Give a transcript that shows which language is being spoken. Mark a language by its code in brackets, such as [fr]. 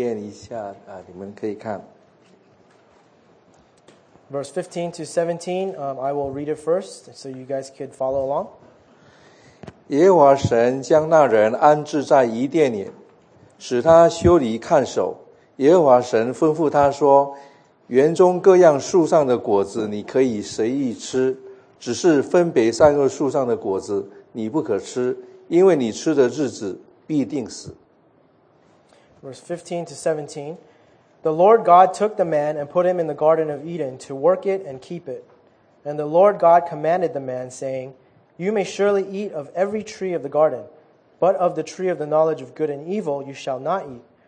[zh] 15节到17节，我先来念一下，你们可以看。 [en] Verse 15 to 17, I will read it first, so you guys could follow along. [zh] 耶和华神将那人安置在伊甸里，使他修理看守。耶和华神吩咐他说：“园中各样树上的果子你可以随意吃，只是分别善恶树上的果子你不可吃，因为你吃的日子。” [en] Verse 15 to 17. The Lord God took the man and put him in the Garden of Eden to work it and keep it. And the Lord God commanded the man, saying, You may surely eat of every tree of the garden, but of the tree of the knowledge of good and evil you shall not eat.